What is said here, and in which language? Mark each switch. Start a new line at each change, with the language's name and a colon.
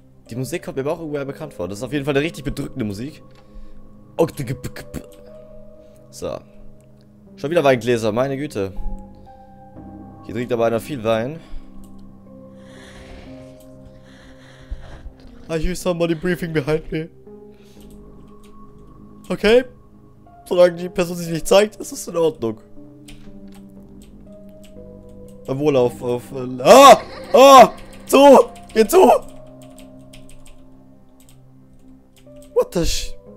German: Die Musik kommt mir aber auch irgendwer bekannt vor. Das ist auf jeden Fall eine richtig bedrückende Musik. So. Schon wieder Weingläser, meine Güte. Hier trinkt aber einer viel Wein.
English: I hear somebody breathing behind me. Okay.
German: Solange die Person sich nicht zeigt, ist es in Ordnung. Obwohl auf. Ah! Ah! Zu! Geh zu!
English: What the sh.